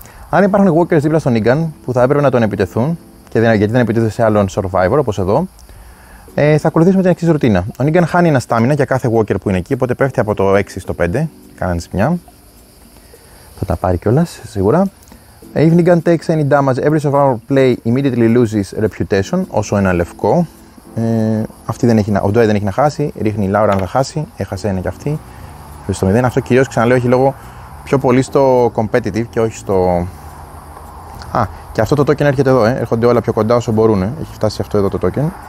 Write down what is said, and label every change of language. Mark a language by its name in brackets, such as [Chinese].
[Greek] Αν υπάρχουν walkers δίπλα στον Negan που θα έπρεπε να τον επιτεθούν και γιατί δεν επιτίθεται σε άλλον survivor όπως εδώ, θα ακολουθήσουμε την εξής ρουτίνα. Ο Negan χάνει ένα stamina για κάθε walker που είναι εκεί, οπότε πέφτει από το 6 στο 5. Κάνει ζημιά. Θα τα πάρει κιόλας, σίγουρα. [English] If Negan takes any damage, every survivor play immediately loses reputation, [Greek] όσο ένα λευκό. Αυτή δεν έχει, ο Dwight δεν έχει να χάσει, ρίχνει η Laura να χάσει, έχασε ένα κι αυτή. Στο 0, αυτό κυρίως ξαναλέω έχει λόγο πιο πολύ στο competitive και όχι στο... Α, και αυτό το token έρχεται εδώ, έρχονται όλα πιο κοντά όσο μπορούν. Έχει φτάσει αυτό εδώ το token.